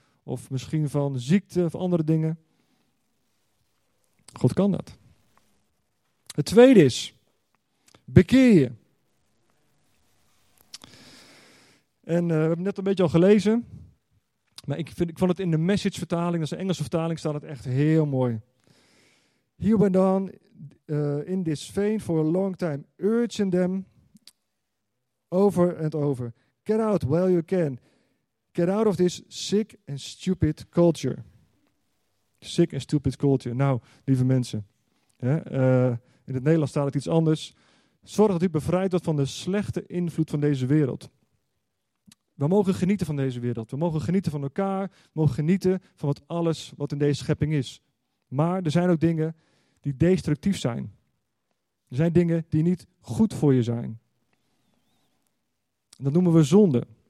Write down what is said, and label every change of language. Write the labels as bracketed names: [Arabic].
[Dutch] Of misschien van ziekte of andere dingen. God kan dat. Het tweede is, bekeer je. En we hebben net een beetje al gelezen. Maar ik vond het in de Message vertaling, dat is een Engelse vertaling, staat het echt heel mooi. [English] Here we dan in this vein for a long time, urging them over and over. Get out while you can. Get out of this sick and stupid culture. Sick and stupid culture. [Dutch] Nou, lieve mensen. In het Nederlands staat het iets anders. Zorg dat u bevrijd wordt van de slechte invloed van deze wereld. We mogen genieten van deze wereld. We mogen genieten van elkaar. We mogen genieten van wat alles wat in deze schepping is. Maar er zijn ook dingen die destructief zijn. Er zijn dingen die niet goed voor je zijn. Dat noemen we zonde.